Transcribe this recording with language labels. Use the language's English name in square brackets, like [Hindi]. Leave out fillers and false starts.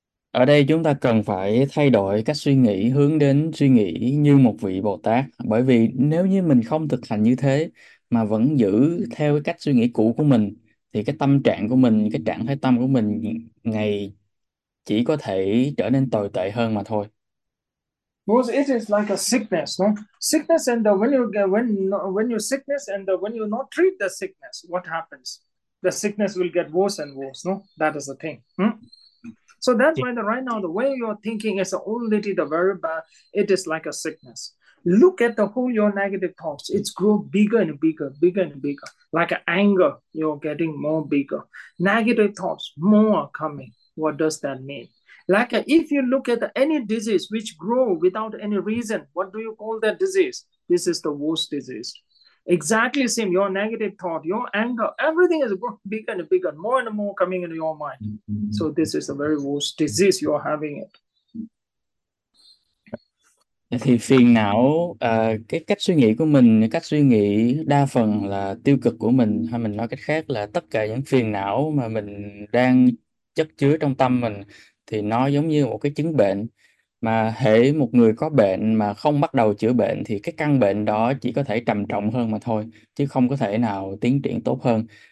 [Vietnamese] Ở đây chúng ta cần phải thay đổi cách suy nghĩ, hướng đến suy nghĩ như một vị Bồ Tát. Bởi vì nếu như mình không thực hành như thế mà vẫn giữ theo cái cách suy nghĩ cũ của mình, thì cái tâm trạng của mình, cái trạng thái tâm của mình ngày chỉ có thể trở nên tồi tệ hơn mà thôi. [English] Because it is like a sickness, no? Sickness and when you sickness and when you not treat the sickness, what happens? The sickness will get worse and worse, no? That is the thing. So that's why the right now the way you are thinking is already the very bad. It is like a sickness. Look at the whole your negative thoughts. It's grow bigger and bigger, bigger and bigger. Like anger, you're getting more bigger. Negative thoughts, more are coming. What does that mean? Like if you look at any disease which grow without any reason, what do you call that disease? This is the worst disease. Exactly same, your negative thought, your anger, everything is growing bigger and bigger, more and more coming into your mind. So this is the very worst disease you are having it. [Vietnamese] Thì phiền não, cái cách suy nghĩ của mình, cách suy nghĩ đa phần là tiêu cực của mình, hay mình nói cách khác là tất cả những phiền não mà mình đang chất chứa trong tâm mình thì nó giống như một cái chứng bệnh. Mà hễ một người có bệnh mà không bắt đầu chữa bệnh thì cái căn bệnh đó chỉ có thể trầm trọng hơn mà thôi, chứ không có thể nào tiến triển tốt hơn.